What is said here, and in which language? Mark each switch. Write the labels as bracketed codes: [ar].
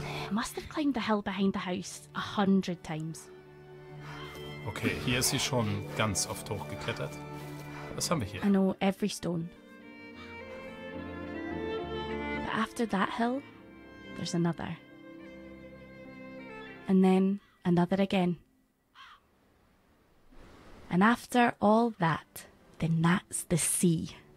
[en] Must have climbed the hill behind the house 100 times. [de] Okay, hier ist sie schon ganz oft hochgeklettert. Was haben wir hier? [en] I know every stone. But after that hill, there's another. And then another again. And after all that, then that's the sea.